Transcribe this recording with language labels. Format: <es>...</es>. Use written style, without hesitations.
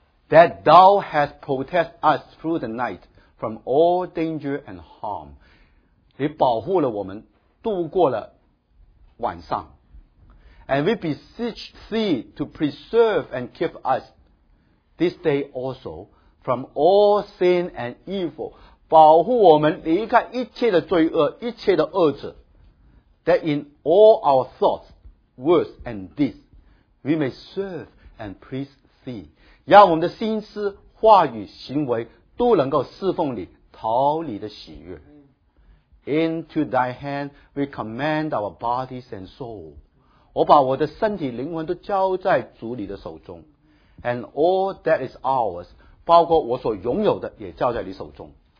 <en>That thou hast protected us through the night from all danger and harm.</en> <zh>你保护了我们度过了晚上。</zh> <en>And we beseech thee to preserve and keep us this day also from all sin and evil.</en> <zh>保护我们离开一切的罪恶，一切的恶者。</zh> <en>That in all our thoughts, words and deeds, we may serve and please thee.</en> <zh>要我们的心思、话语、行为都能够侍奉你，讨你的喜悦。</zh> <en>Into thy hand we commend our bodies and soul.</en> <zh>我把我的身体、灵魂都交在主你的手中。</zh> <en>And all that is ours,</en> <zh>包括我所拥有的也交在你手中。</zh>